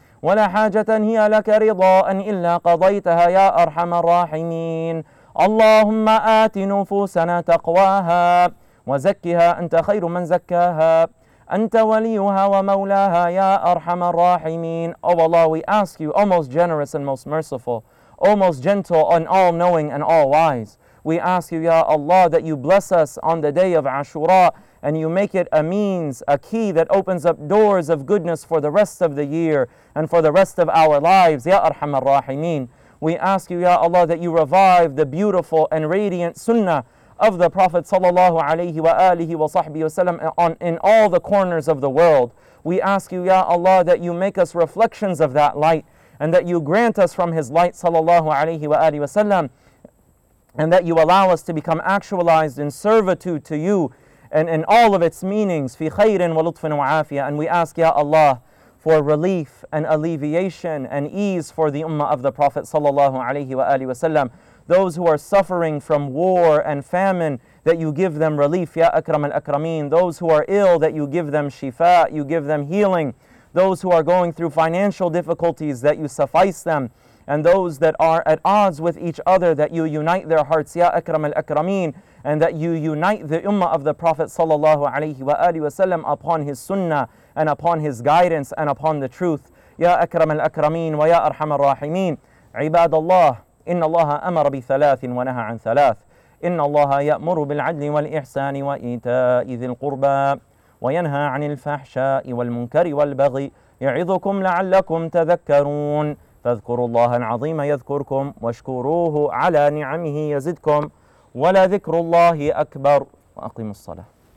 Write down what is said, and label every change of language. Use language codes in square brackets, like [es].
[ar] ولا حاجة هي لك رضاء إلا قضيتها يا أرحم الراحمين اللهم آت نفوسنا تقواها وزكها أنت خير من زكاها أنت وليها ومولاها يا أرحم الراحمين [en] Oh Allah, we ask you, O most generous and most merciful, O most gentle and all-knowing and all-wise, we ask you, Ya Allah, that you bless us on the day of Ashura and you make it a means, a key that opens up doors of goodness for the rest of the year and for the rest of our lives, Ya Arham al-Rahimeen. We ask you, Ya Allah, that you revive the beautiful and radiant sunnah of the Prophet sallallahu alayhi wa alihi wa sahbihi wa sallam in all the corners of the world. We ask you, Ya Allah, that you make us reflections of that light and that you grant us from his light sallallahu alayhi wa alihi wa sallam and that you allow us to become actualized in servitude to you and in all of its meanings, [ar] fi khayrin wa lutfin wa afiyah. [en] And we ask, Ya Allah, for relief and alleviation and ease for the ummah of the Prophet sallallahu alayhi wa alihi wa sallam. Those who are suffering from war and famine, that you give them relief, Ya Akram al-Akrameen. Those who are ill, that you give them shifa, you give them healing. Those who are going through financial difficulties, that you suffice them. And those that are at odds with each other, that you unite their hearts, Ya Akram al-Akrameen, and that you unite the ummah of the Prophet sallallahu alayhi wa alihi wa sallam upon his sunnah and upon his guidance and upon the truth. [ar] Ya Akram al-Akrameen wa Ya Arham al-Rahimeen. Ibad Allah, إن الله أمر بثلاث ونهى عن ثلاث إن الله يأمر بالعدل والإحسان وإيتاء ذي القربى وينهى عن الفحشاء والمنكر والبغي يعظكم لعلكم تذكرون فاذكروا الله العظيم يذكركم واشكروه على نعمه يزدكم ولذكر الله أكبر وأقيموا الصلاة